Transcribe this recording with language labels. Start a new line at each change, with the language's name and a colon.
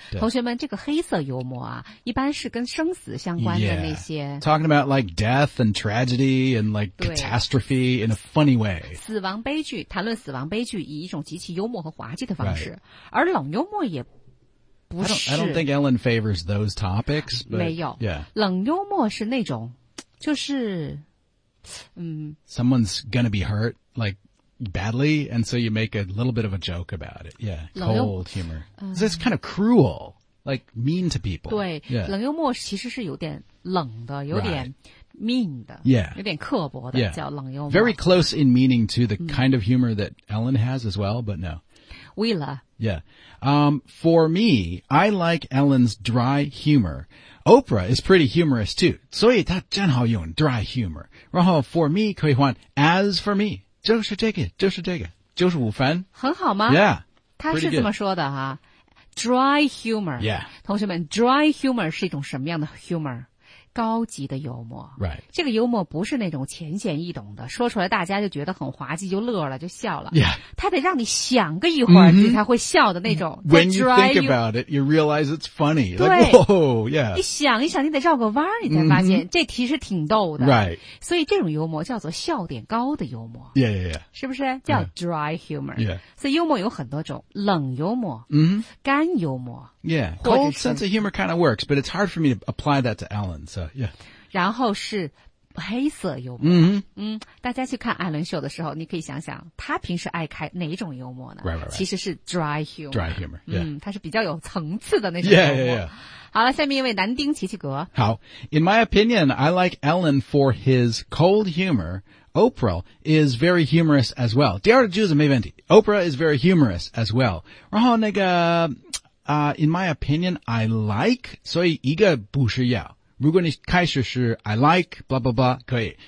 Chinese: 同学们，这个黑色幽默啊，一般是跟生死相关的那些。
English: Yeah, talking about like death and tragedy and like catastrophe in a funny way.
Chinese: 死亡悲剧，谈论死亡悲剧以一种极其幽默和滑稽的方式。而冷幽默也不是。
English: I don't think Ellen favors those topics, but,
Chinese: 没有。
English: Yeah.
Chinese: 冷幽默是那种就是
English: Someone's gonna be hurt, like, badly, and so you make a little bit of a joke about it. Yeah. Cold humor. It's kind of cruel, like, mean to people.
Chinese: 对、
English: yeah.
Chinese: 冷幽默其实是有点冷的有点、
English: right.
Chinese: mean 的、
English: yeah.
Chinese: 有点刻薄的、
English: yeah.
Chinese: 叫冷幽默
English: very close in meaning to the kind of humor that Ellen has as well but no Willa yeah、for me I like Ellen's dry humor Oprah is pretty humorous too
Chinese: 所以她正好用
English: dry humor 然后 for me
Chinese: 可以换
English: as for me
Chinese: 就是这个就是这个就是五分很好吗
English: yeah
Chinese: 她是这么说的哈 dry humor
English: yeah
Chinese: 同学们 dry humor 是一种什么样的 humor高级的幽默、
English: right.
Chinese: 这个幽默不是那种浅显易懂的说出来大家就觉得很滑稽就乐了就笑了、
English: yeah.
Chinese: 他得让你想个一会儿、mm-hmm. 你才会笑的那种
English: When you think about it, you realize it's funny
Chinese: 对、
English: like, whoa, yeah.
Chinese: 你想一想你得绕个弯你才发现、mm-hmm. 这题是挺逗的、
English: right.
Chinese: 所以这种幽默叫做笑点高的幽默
English: yeah, yeah, yeah.
Chinese: 是不是叫 dry humor、
English: yeah.
Chinese: 所以幽默有很多种冷幽默、 mm-hmm. 干幽默
English: yeah. Cold sense of humor kind of works but it's hard for me to apply that to Ellen Yeah.
Chinese: 然后是黑色幽默、 mm-hmm. 嗯、大家去看艾伦秀的时候你可以想想他平时爱开哪种幽默呢
English: right, right, right.
Chinese: 其实是 dry humor,
English: dry humor、yeah.
Chinese: 嗯、他是比较有层次的那种幽默
English: yeah, yeah, yeah.
Chinese: 好了下面一位南丁琪琪格
English: 好 In my opinion, I like Ellen for his cold humor Oprah is very humorous as well
Chinese: 第二句是没问题
English: Oprah is very humorous as well 然后那个、In my opinion, I like
Chinese: 所以一个不是要如果你开始是
English: I like, blah, blah, blah, 可以。